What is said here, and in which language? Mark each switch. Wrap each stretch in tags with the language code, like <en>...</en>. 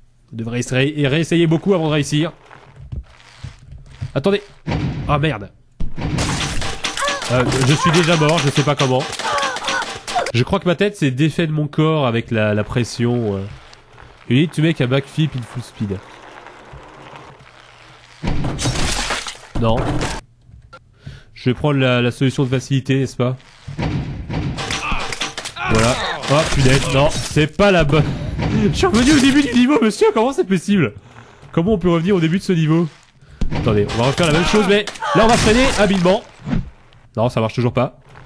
<fr>Vous devrez réessayer beaucoup avant de réussir. Attendez. Ah, oh, merde. Je suis déjà mort, je sais pas comment. Je crois que ma tête s'est défait de mon corps avec la pression.</fr> <en>You need to make a backflip in full speed.</en> <fr>Non. Je vais prendre la solution de facilité, n'est-ce pas? Voilà. Oh, punaise. Non, c'est pas la bonne. Je suis revenu au début du niveau, monsieur. Comment c'est possible? Comment on peut revenir au début de ce niveau? Attendez, on va refaire la même chose, mais là, on va freiner habilement. Non, ça marche toujours pas.</fr>